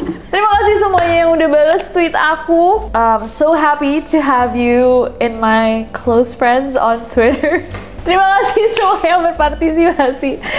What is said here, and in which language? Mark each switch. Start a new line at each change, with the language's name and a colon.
Indonesian: Terima kasih semuanya yang udah balas tweet aku.
English: I'm so happy to have you in my close friends on Twitter.
Indonesian: Terima kasih semua yang berpartisipasi.